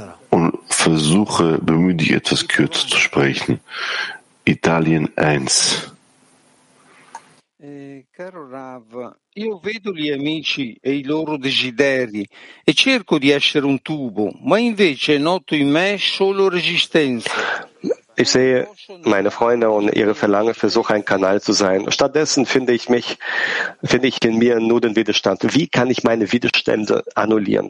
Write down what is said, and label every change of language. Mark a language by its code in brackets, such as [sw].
[de] Und versuche, bemühe dich, etwas kürzer zu sprechen. Italien 1. [it] Caro Rav, io vedo gli amici e i loro desideri e cerco di essere un tubo, ma invece noto in me solo resistenza. [de] Ich sehe meine Freunde und ihre Verlangen, versuche ein Kanal zu sein. Stattdessen finde ich in mir nur den Widerstand. Wie kann ich meine Widerstände annullieren?